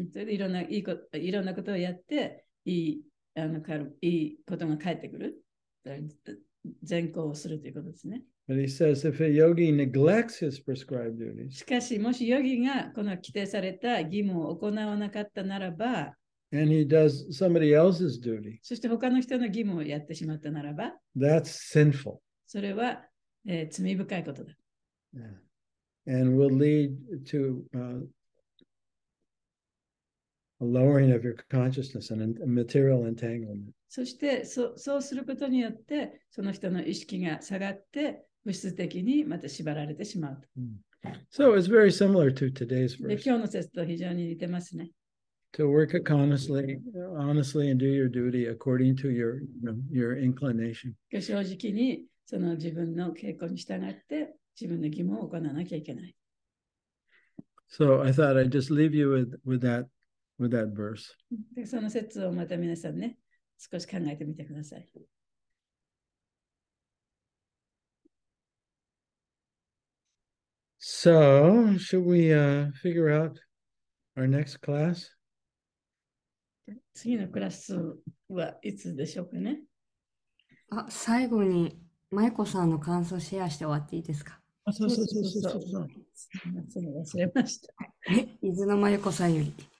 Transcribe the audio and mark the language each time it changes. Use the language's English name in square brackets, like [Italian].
[Japanese] それでいろんなことをやって、いいことが返ってくる。善行をするということですね。 [English] But he says if a yogi neglects his prescribed duties, [Japanese] しかしもしヨギがこの規定された義務を行わなかったならば、 [English] and he does somebody else's duty, [Japanese] そして他の人の義務をやってしまったならば、 [English] that's sinful. [Japanese] それは、罪深いことだ。 [English] Yeah. And will lead to, a lowering of your consciousness and material entanglement. [Japanese] そしてそうすることによってその人の意識が下がって物質的にまた縛られてしまうと。 [English] So it's very similar to today's verse. [Japanese] 今日の説と非常に似てますね。 [English] To work honestly, honestly and do your duty according to your inclination. [Japanese] 正直にその自分の傾向に従って自分の義務を行わなきゃいけない。 [English] So I thought I'd just leave you with that verse. [Japanese] でその説をまた皆さんね、少し考えてみてください。 [English] So, should we figure out our next class? [Japanese] 次のクラスはいつでしょうかね？あ、最後に舞子さんの感想シェアして終わっていいですか？あ、そうそうそうそうそう。すみません、忘れました。伊豆の舞子さんより。